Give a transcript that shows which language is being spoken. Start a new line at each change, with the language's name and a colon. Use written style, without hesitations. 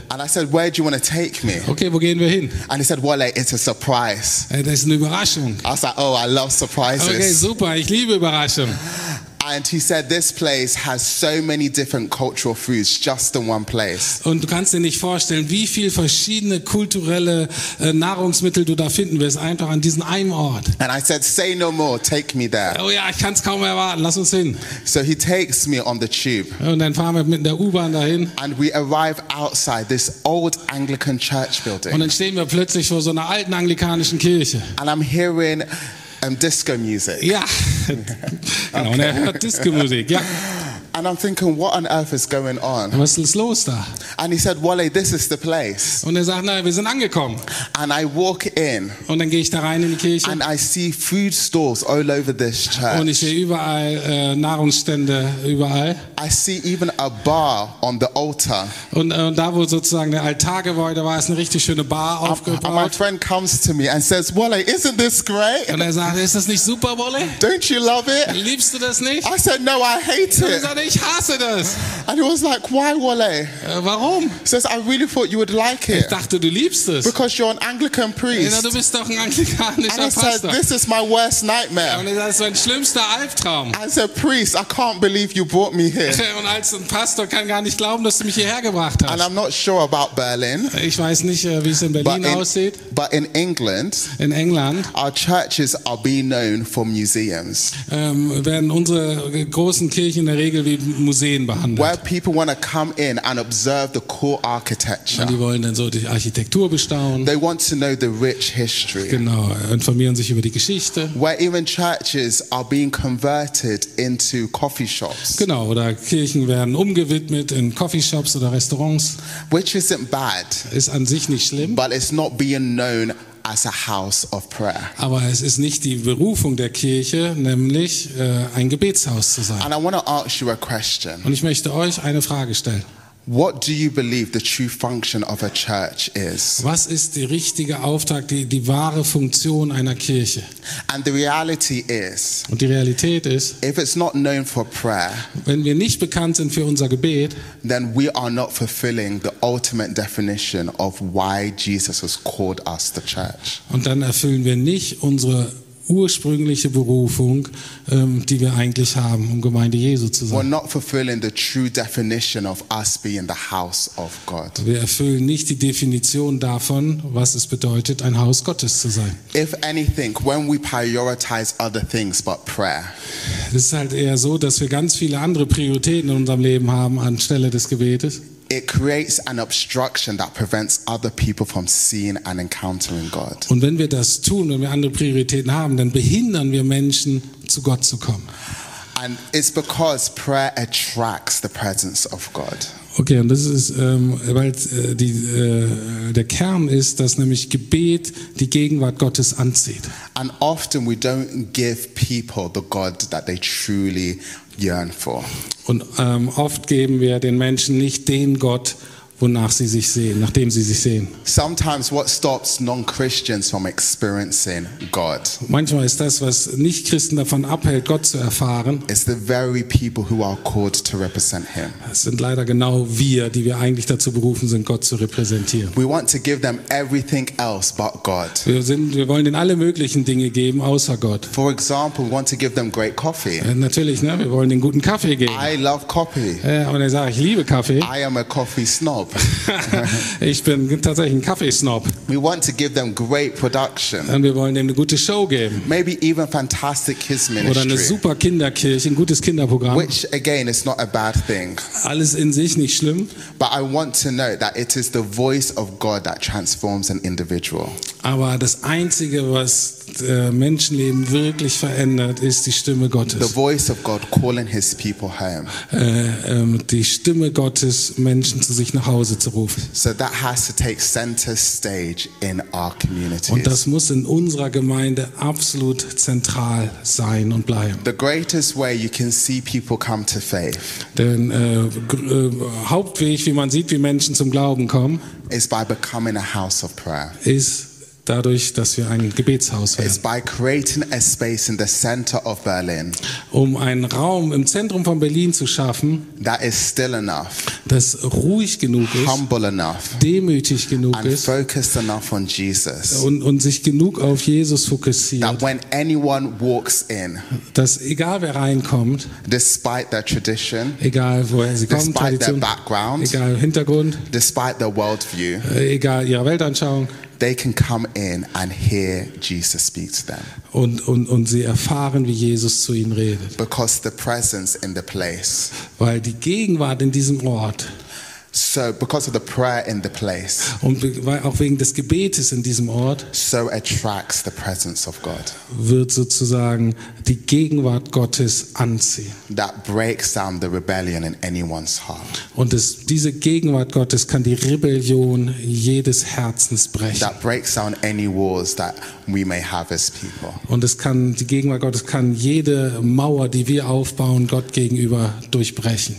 English: And I said, where do you want to take me?
German: Okay, wo gehen wir hin?
English: And he said, Wale, it's a surprise.
German: Das ist eine Überraschung.
English: I said, oh, I love surprises.
German: Okay, super, ich liebe Überraschungen.
English: And he said, this place has so many different cultural foods just in one place.
German: Und du kannst dir nicht vorstellen, wie viel verschiedene kulturelle Nahrungsmittel du da finden wirst, einfach an diesem einen Ort.
English: And I said, say no more, take me there.
German: Oh ja, ich kann es kaum mehr erwarten, lass uns hin.
English: So he takes me on the tube.
German: Und dann fahren wir mit der U-Bahn dahin.
English: And we arrive outside this old Anglican church building.
German: Und dann stehen wir plötzlich vor so einer alten anglikanischen Kirche.
English: And I'm hearing disco music.
German: Yeah. Genau, okay. Und er hört Disco Musik. Ja.
English: And I'm thinking, what on earth is going on?
German: Was ist los da?
English: And he said, Wale, this is the place.
German: Und er sagt, nein, wir sind angekommen.
English: And I walk in.
German: Und dann gehe ich da rein in die Kirche.
English: And I see food stores all over this church.
German: Und ich sehe überall Nahrungsstände überall.
English: I see even a bar on the altar.
German: Und da, wo sozusagen der Altar geweiht, da war es eine richtig schöne Bar aufgebaut.
English: And my friend comes to me and says, Wale, isn't this great?
German: Und er sagt, ist das nicht super, Wale?
English: Don't you love it?
German: Liebst du das nicht?
English: I said, no, I hate it.
German: Ich hasse das.
English: And he was like, why, Wale?
German: Warum?
English: He says, I really thought you would like it.
German: Ich dachte, du liebst es.
English: Because you're an Anglican priest.
German: Ja, du bist doch ein anglikanischer
English: and
German: Pastor.
English: And he said, this is my worst nightmare.
German: Und er sagt, das ist mein schlimmster Albtraum.
English: As a priest, I can't believe you brought me here.
German: Und als ein Pastor kann gar nicht glauben, dass du mich hierher gebracht hast.
English: And I'm not sure about Berlin.
German: Ich weiß nicht, wie es in Berlin aussieht.
English: But in England,
German: in England,
English: our churches are being known for museums.
German: Werden unsere großen Kirchen in der Regel wie Museen behandelt.
English: Where people want to come in and observe the core architecture.
German: Und die wollen dann so die Architektur bestaunen.
English: They want to know the rich history.
German: Genau, informieren sich über die Geschichte.
English: Where even churches are being converted into coffee shops.
German: Genau, oder Kirchen werden umgewidmet in coffee shops oder Restaurants.
English: Which isn't bad.
German: Ist an sich nicht schlimm.
English: But it's not being known as a house of prayer.
German: Aber es ist nicht die Berufung der Kirche, nämlich ein Gebetshaus zu sein.
English: And I want to ask you a question.
German: Und ich möchte euch eine Frage stellen.
English: What do you believe the true function of a church is?
German: Was ist der richtige Auftrag, die wahre Funktion einer Kirche?
English: And the reality is.
German: Und die Realität ist.
English: If it's not known for prayer.
German: Wenn wir nicht bekannt sind für unser Gebet.
English: Then we are not fulfilling the ultimate definition of why Jesus has called us the church.
German: Und dann erfüllen wir nicht unsere ursprüngliche Berufung, die wir eigentlich haben, um Gemeinde Jesu zu sein.
English: We're not fulfilling the true definition of us being the house of God.
German: Wir erfüllen nicht die Definition davon, was es bedeutet, ein Haus Gottes zu sein.
English: If anything, when we prioritize other things but prayer.
German: Es ist halt eher so, dass wir ganz viele andere Prioritäten in unserem Leben haben anstelle des Gebetes.
English: It creates an obstruction that prevents other people from seeing and encountering God.
German: Und wenn wir das tun, wenn wir andere Prioritäten haben, dann behindern wir Menschen, zu Gott zu kommen.
English: And it's because prayer attracts the presence of God.
German: Okay, und das ist, weil die, der Kern ist, dass nämlich Gebet die Gegenwart Gottes anzieht.
English: And often we don't give people the God that they truly yearn for.
German: Und oft geben wir den Menschen nicht den Gott, wonach sie sich sehen, nachdem sie sich sehen.
English: Sometimes what stops non-Christians from experiencing God.
German: Manchmal ist das, was Nicht-Christen davon abhält, Gott zu erfahren.
English: It's the very people who are called to represent him.
German: Es sind leider genau wir, die wir eigentlich dazu berufen sind, Gott zu repräsentieren.
English: We want to give them everything else but God.
German: Wir wollen ihnen alle möglichen Dinge geben, außer Gott.
English: For example, we want to give them great coffee.
German: Natürlich, ne, wir wollen ihnen guten Kaffee geben.
English: I love coffee.
German: Und ich sage, ich liebe Kaffee.
English: I am a coffee snob.
German: Ich bin tatsächlich ein Kaffeesnob.
English: We want to give them great production.
German: Und wir wollen ihnen eine gute Show geben.
English: Maybe even fantastic kids ministry.
German: Oder eine super Kinderkirche, ein gutes Kinderprogramm.
English: Which again is not a bad thing.
German: Alles in sich nicht schlimm.
English: But I want to note that it is the voice of God that transforms an individual.
German: Aber das Einzige, was Menschenleben wirklich verändert, ist die Stimme Gottes.
English: The voice of God calling his people home.
German: Die Stimme Gottes, Menschen zu sich nach Hause zu rufen.
English: So that has to take center stage in our communities.
German: Und das muss in unserer Gemeinde absolut zentral sein und bleiben.
English: The greatest way you can see people come to faith.
German: Denn Hauptweg, wie man sieht, wie Menschen zum Glauben kommen,
English: is by becoming a house of prayer.
German: Ist dadurch, dass wir ein Gebetshaus werden.
English: It's by creating a space in the center of Berlin.
German: Um einen Raum im Zentrum von Berlin zu schaffen,
English: that is still enough,
German: das ruhig genug ist,
English: humble enough,
German: demütig genug
English: and
German: ist,
English: focused enough on Jesus,
German: und sich genug auf Jesus fokussiert,
English: that when anyone walks in,
German: dass egal wer reinkommt,
English: despite their tradition,
German: egal woher sie kommen,
English: despite
German: Tradition,
English: their background,
German: egal Hintergrund,
English: despite their worldview,
German: egal ihrer Weltanschauung,
English: they can come in and hear Jesus speak to them.
German: Und sie erfahren, wie Jesus zu ihnen redet.
English: Because the presence in the place.
German: Weil die Gegenwart in diesem Ort.
English: So because of the prayer in the place.
German: Und weil auch wegen des Gebetes in diesem Ort.
English: So attracts the presence of God.
German: Wird sozusagen die Gegenwart Gottes anziehen.
English: That breaks down the rebellion in anyone's heart.
German: Und diese Gegenwart Gottes kann die Rebellion jedes Herzens brechen.
English: That breaks down any walls that we may have as people.
German: Und es kann die Gegenwart Gottes kann jede Mauer, die wir aufbauen, Gott gegenüber durchbrechen.